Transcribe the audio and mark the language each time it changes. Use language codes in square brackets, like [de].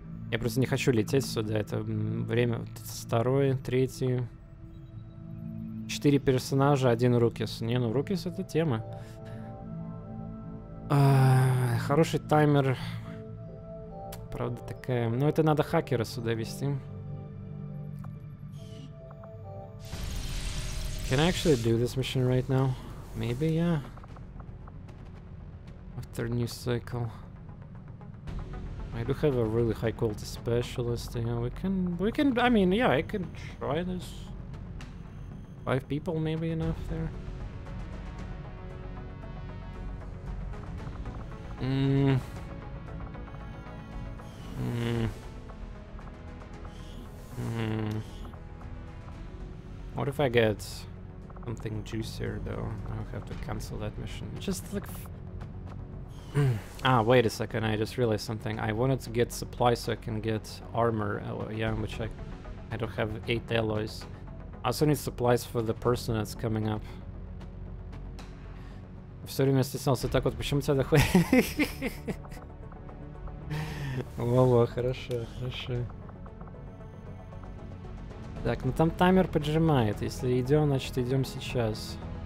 [ru] Я просто не хочу лететь сюда. Это время. Второе, третье. Четыре персонажа, один Рукис. Не, ну Рукис — это тема. Хороший таймер. Правда такая. Но это надо хакера сюда вести. [en] Can I actually do this mission right now? Maybe, yeah. After new cycle, I do have a really high quality specialist. Yeah, we can. I mean, yeah, I can try this. Five people, maybe enough there. What if I get something juicier though? I'll have to cancel that mission. Just like. wait a second, I just realized something. I wanted to get supplies so I can get armor, yeah, which I don't have 8 alloys. I also need supplies for the person that's coming up. [ru] Все время стеснялся, так вот, почему тебя доходит? Во-во, хорошо, хорошо. Так, ну там таймер поджимает. Если идем, значит идем сейчас.